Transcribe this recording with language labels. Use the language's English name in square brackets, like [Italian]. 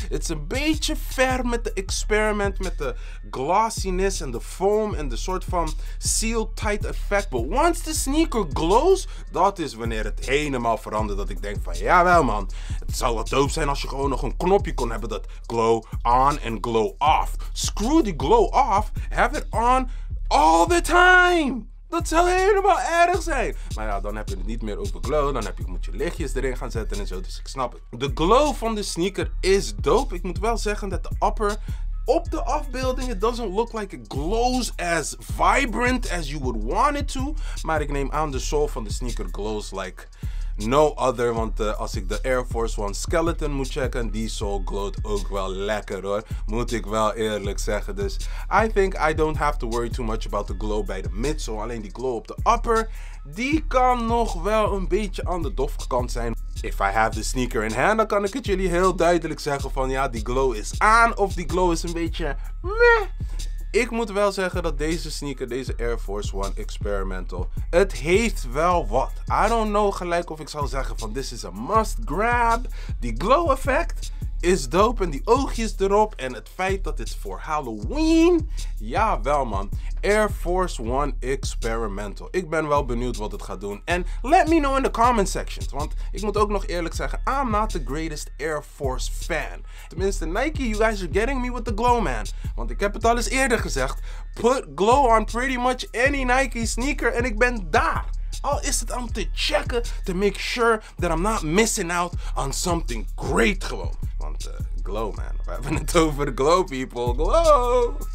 [Dutch] It's een beetje ver met de experiment, met de glossiness en de foam en de soort van seal tight effect. [English] But once the sneaker glows, [Dutch] dat is wanneer het helemaal verandert dat ik denk van, jawel man, het zou wel dope zijn als je gewoon nog een knopje kon hebben dat glow on en glow off. [English] Screw die glow off, have it on all the time. [Dutch] Dat zou helemaal erg zijn. Maar ja, dan heb je het niet meer over glow. Dan moet je lichtjes erin gaan zetten en zo. Dus ik snap het. De glow van de sneaker is dope. Ik moet wel zeggen dat de upper op de afbeelding, [English] it doesn't look like it glows as vibrant as you would want it to. [Dutch] Maar ik neem aan, de sole van de sneaker [English] glows like no other, [Dutch] want als ik de Air Force One Skeleton moet checken, die sole glowt ook wel lekker hoor. Moet ik wel eerlijk zeggen. [English] Dus I think I don't have to worry too much about the glow [Dutch] bij de midsole. Alleen die glow op de upper, die kan nog wel een beetje aan de doffe kant zijn. [English] If I have the sneaker in hand, [Dutch] dan kan ik het jullie heel duidelijk zeggen van ja, die glow is aan of die glow is een beetje meh. Ik moet wel zeggen dat deze sneaker, deze Air Force One Experimental, het heeft wel wat. [English] I don't know [Dutch] gelijk of ik zou zeggen van [English] this is a must grab. [Dutch] Die glow effect is dope en die oogjes erop en het feit dat dit voor Halloween. Ja wel man, Air Force One Experimental. Ik ben wel benieuwd wat het gaat doen. En [English] let me know in the comment sections. [Dutch] Want ik moet ook nog eerlijk zeggen, [English] I'm not the greatest Air Force fan. Tenminste Nike, you guys are getting me with the glow man. [Dutch] Want ik heb het al eens eerder gezegd. [English] Put glow on pretty much any Nike sneaker [Dutch] en ik ben daar. Al is het om te checken, [English] to make sure that I'm not missing out on something great gewoon. [Dutch] Want glow man, we hebben het over glow people, glow!